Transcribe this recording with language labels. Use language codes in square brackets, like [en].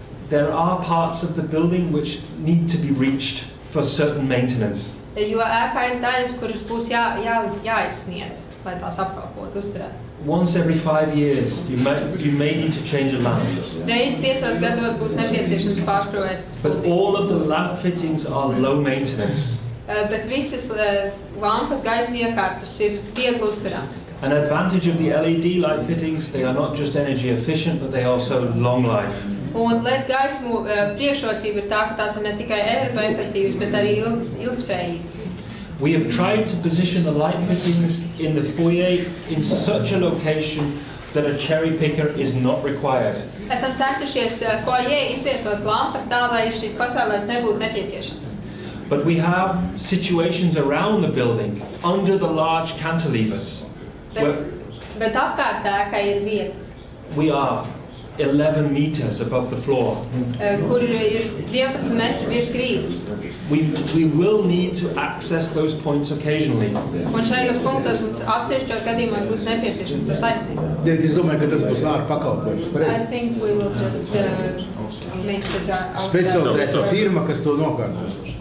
[en] There are parts of the building which need to be reached for certain maintenance. [lv] Jo ēkā ir daļas, kuras būs jāaizsniedz, lai tās apkalpot, uzturēt. [en] Once every 5 years, you may need to change a lamp. [lv] Reiz 5 gados būs nepieciešams pārskrūvēt. [en] But all of the lamp fittings are low maintenance. [lv] Bet visas lampas gaismu iekārtas ir viegli uzturāmas. [en] An advantage of the LED light fittings, they are not just energy efficient, but they also long life. [lv] Un LED gaismu priekšrocība ir tā, ka tās ir ne tikai energoefektīvas, bet arī ilgspējīgas. [en] We have tried to position the light fittings in the foyer in such a location that a cherry picker is not required. [lv] Esam centušies foyer izvietot lampas tā, lai šis pacēlājs nebūtu nepieciešams. [en] But we have situations around the building, under the large cantilevers. [lv] Bet apkārt tēkā ir vietas. [en] We are 11 meters above the floor. [lv] Kur ir 11 metri virs grīdas. [en] We will need to access those points occasionally. [lv] Un šajos punktos mums atsevišķos gadījumos būs nepieciešams to saistīt. Es domāju, ka tas būs ārpus pakalpojums. [en] I think we will just make this out. [lv] Specializēta firma, kas to nokārtos.